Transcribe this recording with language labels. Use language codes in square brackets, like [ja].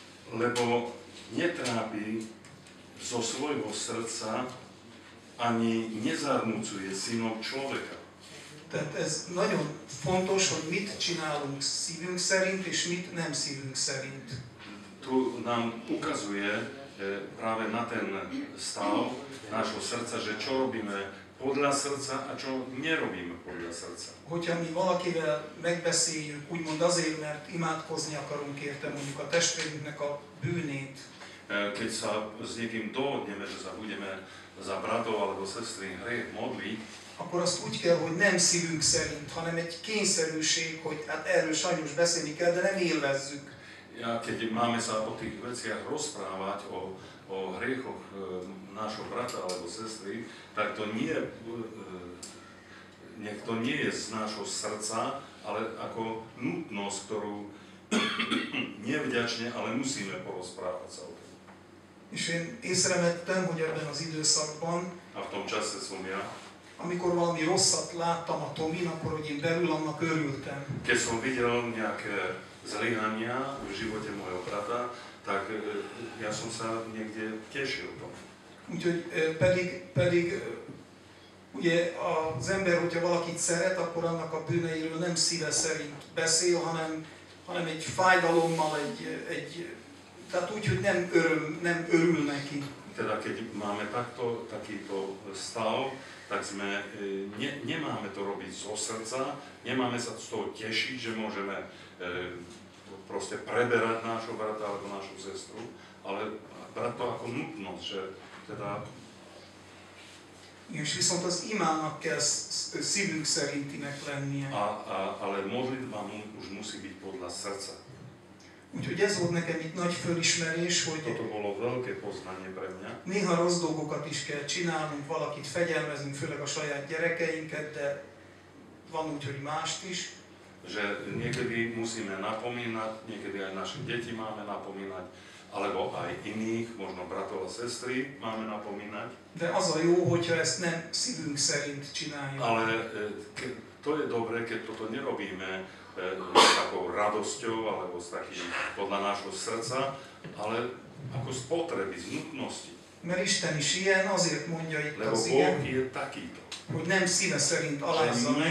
[sk] Lebo netrápi zo svojho srdca, ani nezarmúcuje synov človeka. [hu] Tehát ez nagyon fontos, hogy mit csinálunk szívünk szerint, és mit nem szívünk szerint. [sk] Tu nám ukazuje práve na ten stav nášho srdca, že čo robíme podľa srdca a čo nerobíme podľa srdca. [hu] Hogyha mi valakivel megbeszéljük, úgymond azért, mert imádkozni akarunk érte, mondjuk a testvérünknek a bűnét. [sk] Keď sa s niekým dohodneme, že sa budeme za bratov alebo sestry hriech modliť, [hu] akkor azt úgy kell, hogy nem szívünk szerint, hanem egy kényszerűség, hogy hát erről sajnos beszélni kell, de nem élvezzük. [sk] Ja, keď máme sa o tých veciach rozprávať, o hriechoch nášho brata alebo sestry, tak to nie je z nášho srdca, ale ako nutnosť, ktorú nevďačne, ale musíme porozprávať sa o tom. [hu] És én észrevettem, hogy ebben az időszakban, [sk] a tom čase som ja, [hu] amikor valami rosszat láttam a Tomin, akkor hogy én belül annak örültem. [sk] Keď som videl nejaké zlyhania v živote mojho brata, tak ja som sa niekde tešil tomu. [hu] Úgyhogy pedig ugye az ember, hogyha valakit szeret, akkor annak a bűneiről nem szíve szerint beszél, hanem egy fájdalommal, egy tehát úgy, hogy nem örül neki. [sk] Teda, keď máme takto, takýto stav, tak sme, nemáme to robiť zo srdca, nemáme sa z toho tešiť, že môžeme proste preberať nášho brata alebo našu sestru, ale brať to ako nutnosť, že teda... [hu] És viszont az imának kell szívünk szerintinek lennie. [sk] Ale modlitba už musí byť podľa srdca. [hu] Úgyhogy ez volt nekem itt nagy fölismerés, hogy [sk] toto bolo veľké poznanie pre mňa. [hu] Néha rossz dolgokat is kell csinálnunk, valakit fegyelmezünk, főleg a saját gyerekeinket, de van úgy, hogy mást is. [sk] Že niekedy musíme napomínať, niekedy aj naše deti máme napomínať, alebo aj iných, možno bratov a sestry máme napomínať. [hu] De az a jó, hogyha ezt nem szívünk szerint csináljuk. [sk] Ale to je dobré, keď toto nerobíme s takou radosťou, alebo s takým podľa nášho srdca, ale ako z potreby, z nutnosti. [hu] Mert Isten is ilyen, azért mondja itt [sk] lebo [hu] az ilyen. [sk] Lebo Boh je takýto. [hu] Hogy nem szíve szerint alázza.